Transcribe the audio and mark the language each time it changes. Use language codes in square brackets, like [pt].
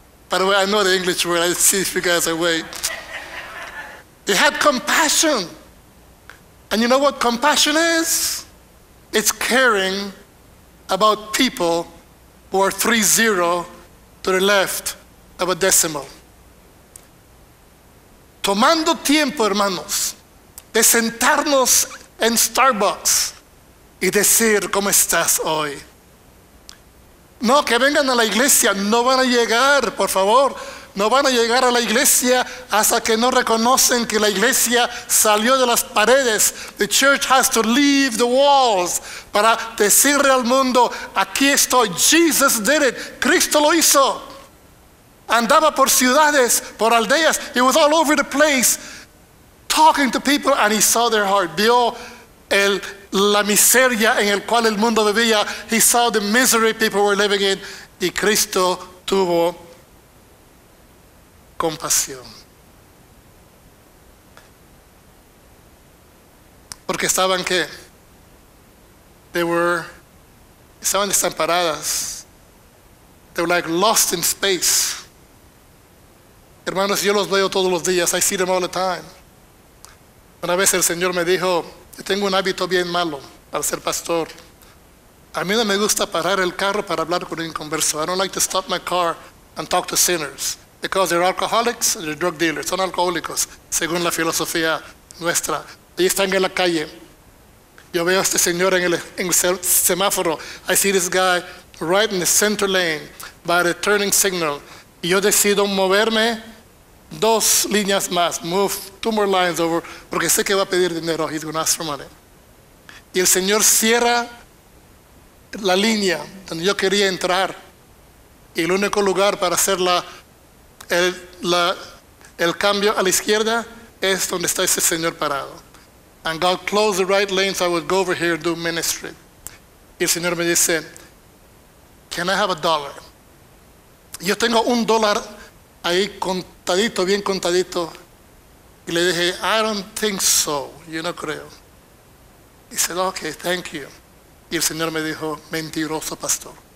[en] By the way, I know the English word, I see if you guys are wait. He had compassion. And you know what compassion is? It's caring about people who are 30 to the left of a decimal. [es] Tomando tiempo, hermanos, de sentarnos en Starbucks y decir, ¿cómo estás hoy? No, que vengan a la iglesia, no van a llegar, por favor. No van a llegar a la iglesia hasta que no reconocen que la iglesia salió de las paredes. [en] The church has to leave the walls [es] para decirle al mundo, aquí estoy. [en] Jesus did it. [es] Cristo lo hizo. Andaba por ciudades, por aldeas. [en] He was all over the place talking to people and he saw their heart. [es] Vio la miseria en el cual el mundo vivía. [en] He saw the misery people were living in. [es] Y Cristo tuvo compasión. Porque estaban que estaban desamparadas. [en] They were like lost in space. [es] Hermanos, yo los veo todos los días. [en] I see them all the time. [es] Una vez el Señor me dijo, yo tengo un hábito bien malo para ser pastor. A mí no me gusta parar el carro para hablar con un inconverso. [en] I don't like to stop my car and talk to sinners. Because they're alcoholics and they're drug dealers. [es] Son alcohólicos, según la filosofía nuestra. Y están en la calle. Yo veo a este señor en el semáforo. [en] I see this guy right in the center lane by the turning signal. [es] Y yo decido moverme dos líneas más. [en] Move two more lines over. [es] Porque sé que va a pedir dinero. [en] He's going to ask for money. [es] Y el señor cierra la línea donde yo quería entrar. Y el único lugar para hacer la el cambio a la izquierda es donde está ese señor parado. [en] And God closed the right lane, so I would go over here and do ministry. [es] Y el señor me dice, [en] can I have a dollar? [es] Yo tengo un dólar ahí contadito, bien contadito. Y le dije, [en] I don't think so. [es] Yo no creo. [en] He said, okay, thank you. [es] Y el señor me dijo, mentiroso pastor.